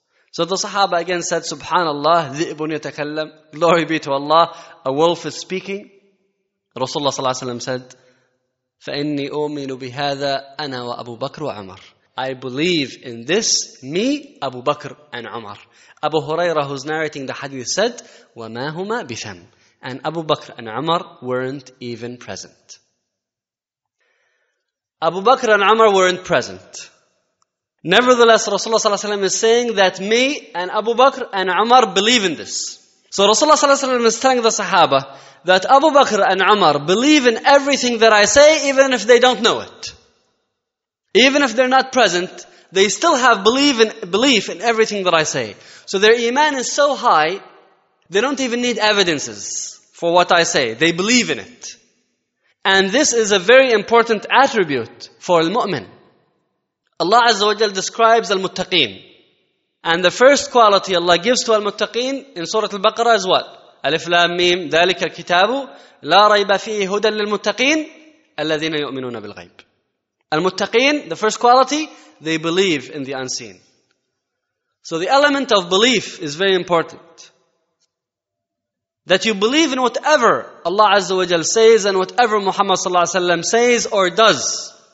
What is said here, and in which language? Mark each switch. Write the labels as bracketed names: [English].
[English] So the Sahaba again said, Subhanallah, [Arabic] ذِئِبٌ يَتَكَلَّمْ. [English] Glory be to Allah, a wolf is speaking. [Arabic] Rasulullah sallallahu alayhi wa sallam said, فَإِنِّي أُؤْمِنُ بِهَذَا أَنَا وَأَبُو بَكْرُ وَعُمَرُ. [English] I believe in this, me, Abu Bakr and Umar. Abu Huraira, who's narrating the hadith, said, [Arabic] وَمَا هُمَا بِثَمْ. [English] And Abu Bakr and Umar weren't even present. Abu Bakr and Umar weren't present. Nevertheless, Rasulullah ﷺ is saying that me and Abu Bakr and Umar believe in this. So Rasulullah ﷺ is telling the Sahaba that Abu Bakr and Umar believe in everything that I say, even if they don't know it. Even if they're not present, they still have belief in everything that I say. So their iman is so high, they don't even need evidences for what I say. They believe in it. And this is a very important attribute for al-mu'min. Allah Azza wa Jal describes al-muttaqeen. And the first quality Allah gives to al-muttaqeen in Surah Al-Baqarah is what? [Arabic] ألف لام ميم ذلك الكتاب لا ريب فيه هدى للمتقين الذين يؤمنون بالغيب. [English] المتقين, the first quality, they believe in the unseen. So the element of belief is very important. That you believe in whatever Allah Azza wa Jal says and whatever Muhammad Sallallahu Alaihi Wasallam says or does.